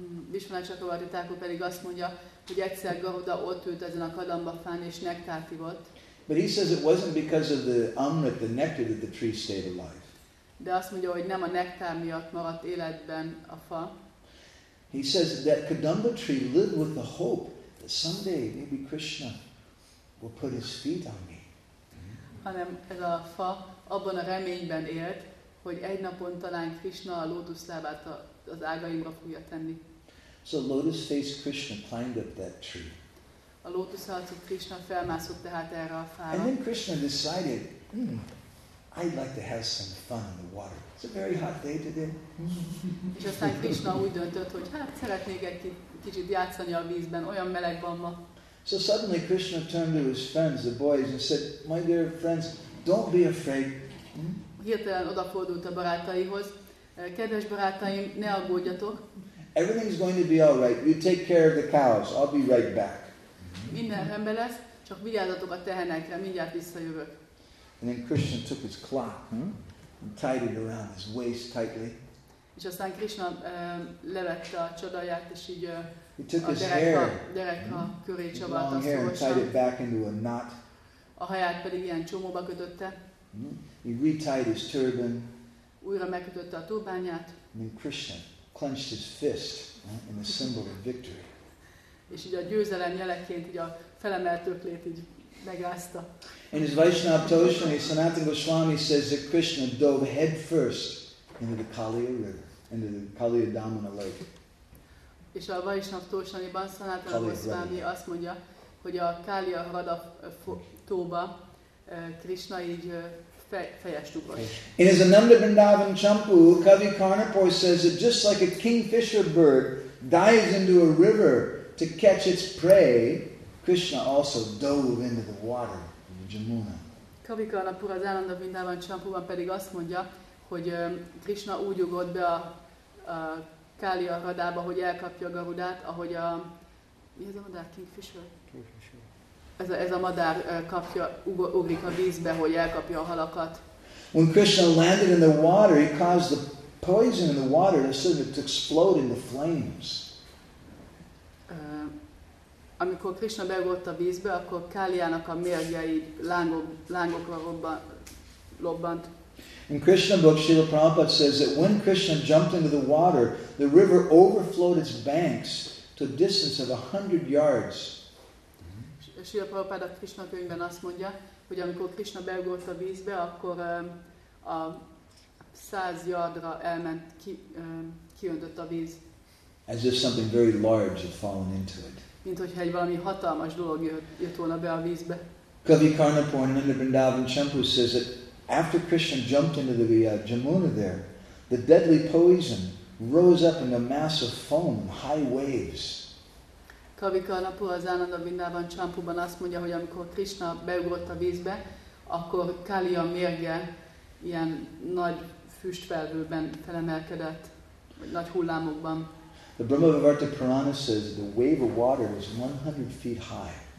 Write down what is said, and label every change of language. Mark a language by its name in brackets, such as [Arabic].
[Hungarian] Vishnu Chakravarti Thakur pedig azt mondja, hogy egyszer Garuda ott ült ezen a kadamba fán és nektárt ivott. [English] But he says it wasn't because of the amrit, the nectar, that the tree stayed alive. [Hungarian] De azt mondja, hogy nem a nektár miatt maradt életben a fa. [English] He says that kadamba tree lived with the hope that someday maybe Krishna will put his feet on me. [Hungarian] Hanem ez a fa abban a reményben élt, hogy egy napon talán Krishna a lótuszlábát az ágaimra fogja tenni. [English] So lotus faced Krishna climbed up that tree. [Hungarian] A lótuszharcú Krishna felmászott tehát erre a fára. [English] And then Krishna decided, I'd like to have some fun in the water. It's a very hot day today. [Hungarian] És aztán Krishna úgy döntött, hogy hát szeretnék egy kicsit játszani a vízben, olyan meleg van ma. [English] So suddenly Krishna turned to his friends, the boys, and said, my dear friends, don't be afraid. [Hungarian] Hirtelen odafordult a barátaihoz. Kedves barátaim, ne aggódjatok. [English] Everything's going to be all right. You take care of the cows. I'll be right back. [Hungarian] Minden rendben lesz, csak vigyázzatok a tehenekre, mindjárt visszajövök. [English] And then Krishna took his cloth and tied it around his waist tightly. [Hungarian] És aztán Krishna levette a csodaját, és így [English] he took [Hungarian] a derekha köré csavarta szorosan. A haját pedig ilyen csomóba kötötte. [English] He retied his turban. [Hungarian] Újra megkötötte a turbányát. [English] And then Krishna clenched his fist in a symbol of victory. [Hungarian] És így a győzelem jeleként így a felemelt öklét így megrázta. [English] In his Vaishnava Toshani, Sanatan Goswami says that Krishna dove head first into the Kaliya river, into the Kaliya Damana lake. [Hungarian] És a Vaishnava Toshaniban Sanatan Goswami azt mondja, hogy a Kaliya Hrada tóba Krishna így fejest ugrott. [English] In his Ananda Vrindavan Champu, Kavi Karnapur says that just like a kingfisher bird dives into a river to catch its prey, Krishna also dove into the water in the Jamuna. [Hungarian] Kavi Karnapur az Ananda Vrindavan Champuban pedig azt mondja, hogy Krishna úgy ugrott be a Kália hradába, hogy elkapja Garudát, ahogy a... Mi ez a madár? Kingfisher? Ez a madár ugrik a vízbe, hogy elkapja a halakat. [English] When Krishna landed in the water, he caused the poison in the water to sort of explode into flames. [Hungarian] Amikor Krishna beugrott a vízbe, akkor Káliának a mérgei lángokra lobbant. [English] In Krishna book, Srila Prabhupada says that when Krishna jumped into the water, the river overflowed its banks to a distance of 100 yards. [Hungarian] Srila Prabhupada Krishna könyvben azt mondja, hogy amikor Krishna beugrott a vízbe, akkor a 100 yardra elment, kiöntött a víz. [English] As if something very large had fallen into it. [Hungarian] Mint hogyha egy valami hatalmas dolog jött volna be a vízbe. [English] Kavi Karnapur and Vrindavan Champu says that after Krishna jumped into the Jamuna there, the deadly poison rose up in a mass of foam, high waves. [Hungarian] Kavi Karnapur az Ananda Vrindavan Champuban azt mondja, hogy amikor Krishna beugrott a vízbe, akkor Kaliya mérge ilyen nagy füstfelhőben felemelkedett, vagy nagy hullámokban. [English] The Brahmavivarta Purana says the wave of water was 100 feet high.